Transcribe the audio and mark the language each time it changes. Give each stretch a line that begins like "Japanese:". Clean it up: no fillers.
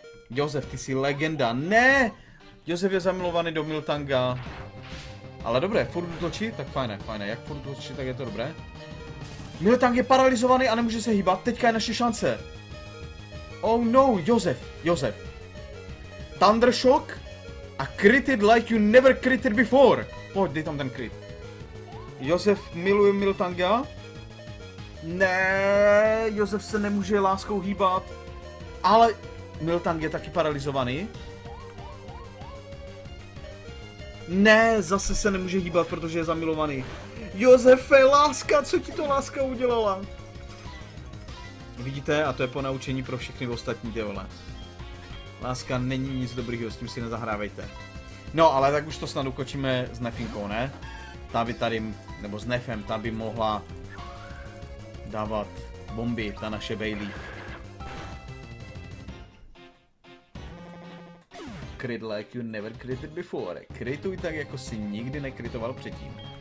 Czech: Josef, ty jsi legenda, ne! Josef je zamilovaný do Miltanga. Ale dobré, furt útočí, tak fajné, jak furt útočí, tak je to dobré. Miltank je paralyzovaný a nemůže se hýbat, teďka je naše šance.
English: Oh no, Josef, Josef. Thundershock a critted like you never critted before.
Czech: Pojď, dej tam ten crit. Josef miluje Miltanga. Ne, Josef se nemůže láskou hýbat. Ale Miltang je taky paralyzovaný. Ne, zase se nemůže hýbat, protože je zamilovaný. Josefe, láska, co ti to láska udělala? Vidíte, a to je po naučení pro všechny ostatní, ty vole. Láska není nic dobrýho, s tím si nezahrávejte. No, ale tak už to snad ukočíme s Nefinkou, ne? Ta by tady, nebo s Nefem, ta by mohla dávat bomby, ta naše Bailey.
English: Crit like you never critted before.
Czech: Krituj tak, jako si nikdy nekritoval předtím.